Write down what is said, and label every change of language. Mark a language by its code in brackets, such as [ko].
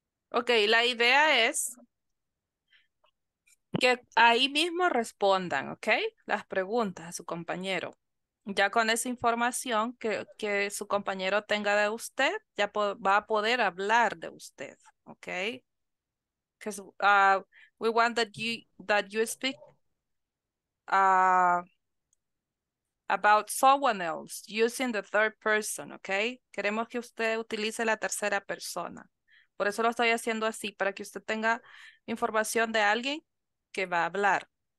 [es] Okay, la idea es que ahí mismo respondan, ¿ok? Las preguntas a su compañero. Ya con esa información que su compañero tenga de usted, ya va a poder hablar de usted, ¿ok? [en] Because we want that you speak about someone else using the third person, ¿ok? [es] Queremos que usted utilice la tercera persona. Por eso lo estoy haciendo así, para que usted tenga información de alguien que va a hablar.